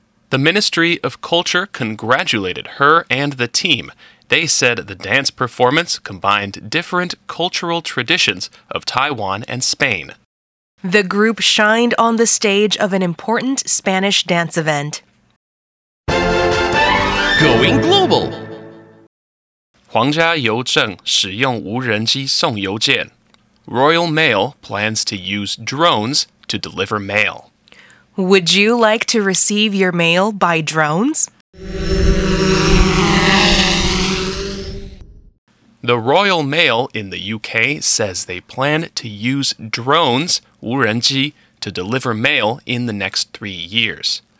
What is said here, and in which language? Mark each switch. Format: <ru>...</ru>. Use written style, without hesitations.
<en>The Ministry of Culture congratulated her and the team. They said the dance performance combined different cultural traditions of Taiwan and Spain. The group shined on the stage of an important Spanish dance event. Going global!</en> <zh>皇家郵政使用無人機送郵件.</zh> <en>Royal Mail plans to use drones to deliver mail. Would you like to receive your mail by drones? The Royal Mail in the UK says they plan to use drones... 无人机, to deliver mail in the next 3 years.</en>